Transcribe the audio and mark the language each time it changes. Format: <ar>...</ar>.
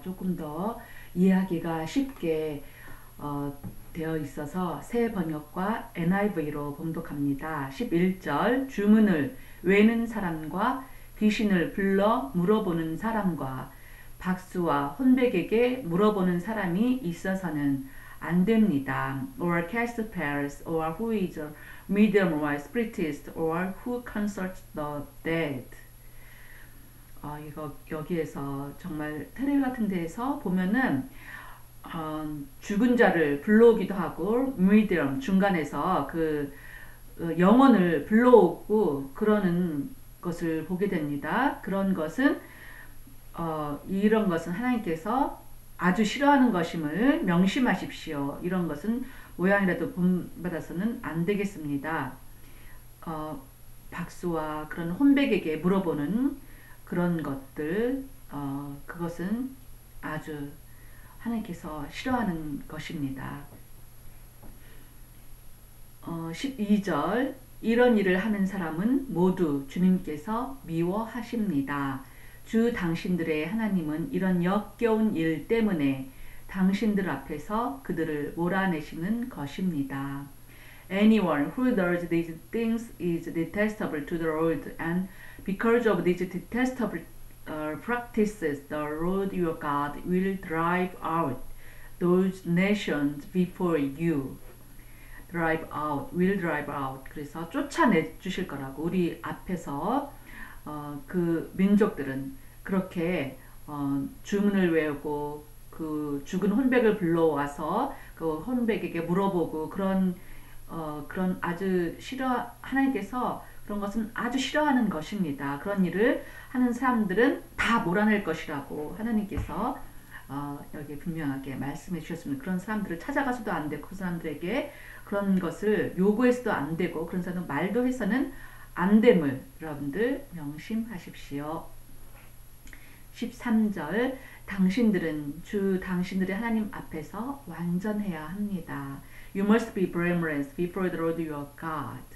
<ko>조금 더 이해하기가 쉽게 되어 있어서 새 번역과 NIV로 봉독합니다. 11절 주문을 외는 사람과 귀신을 불러 물어보는 사람과 박수와 혼백에게 물어보는 사람이 있어서는 안 됩니다.</ko> <en>Or cast spells, or who is a medium or a spiritist, or who consults the dead.</en> <ko>이거 여기에서 정말 테레비 같은 데에서 보면은 죽은 자를 불러오기도 하고 medium 중간에서 영혼을 불러오고 그러는 것을 보게 됩니다. 그런 것은 이런 것은 하나님께서 아주 싫어하는 것임을 명심하십시오. 이런 것은 모양이라도 본받아서는 안 되겠습니다. 박수와 그런 혼백에게 물어보는 그런 것들, 그것은 아주 하나님께서 싫어하는 것입니다. 12절, 이런 일을 하는 사람은 모두 주님께서 미워하십니다. 주 당신들의 하나님은 이런 역겨운 일 때문에 당신들 앞에서 그들을 몰아내시는 것입니다.</ko> <en>Anyone who does these things is detestable to the Lord, and because of these detestable practices, the Lord your God will drive out those nations before you. Drive out, will drive out.</en> <ko>그래서 쫓아내 주실 거라고 우리 앞에서 그 민족들은 그렇게 주문을 외우고 그 죽은 혼백을 불러와서 그 혼백에게 물어보고 그런 아주 싫어 하나님께서 그런 것은 아주 싫어하는 것입니다. 그런 일을 하는 사람들은 다 몰아낼 것이라고 하나님께서 여기 분명하게 말씀해 주셨습니다. 그런 사람들을 찾아가서도 안 되고 그 사람들에게 그런 것을 요구해서도 안 되고 그런 사람은 말도 해서는 안 됨을 여러분들 명심하십시오. 13절, 당신들은 주 당신들의 하나님 앞에서 완전해야 합니다.</ko> <en>You must be blameless before the Lord your God.</en>